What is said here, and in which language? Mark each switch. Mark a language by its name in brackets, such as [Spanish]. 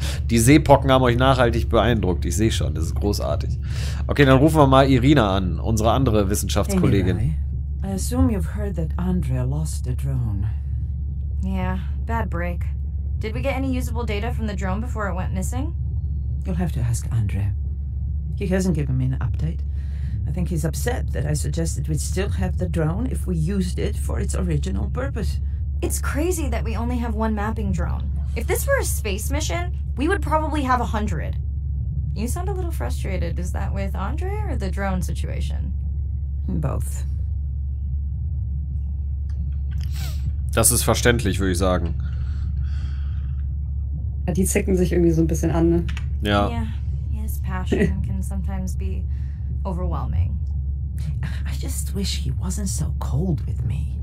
[German] Die Seepocken haben euch nachhaltig beeindruckt. Ich sehe schon, das ist großartig. Okay, dann rufen wir mal Irina an, unsere andere Wissenschaftskollegin. [English] Anyway, I assume you've heard that Andrea lost a drone. Yeah, bad break. Did we get any usable data from the drone before it went missing? You'll have to ask Andre. He hasn't given me an update. I think he's upset that I suggested we'd still have the drone if we used it for its original purpose. It's crazy that we only have one mapping drone. If this were a space mission, we would probably have 100. You sound a little frustrated. Is that with Andre or the drone situation? Both. [German] Das ist verständlich, würde ich sagen. Ja, die zicken sich irgendwie so ein bisschen an, ne? Ja. [English] Yeah, his passion can sometimes be overwhelming. I just wish he wasn't so cold with me.